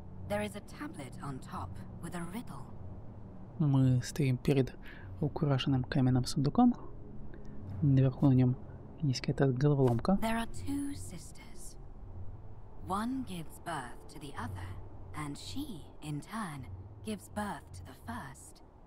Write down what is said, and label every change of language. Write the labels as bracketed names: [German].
[English] There is a tablet on top with a riddle. [Russian] Мы стоим перед украшенным каменным сундуком. Наверху на нем есть какая-то головоломка. [English] There are two sisters. One gives birth to the other, and she, in turn, gives birth to the first.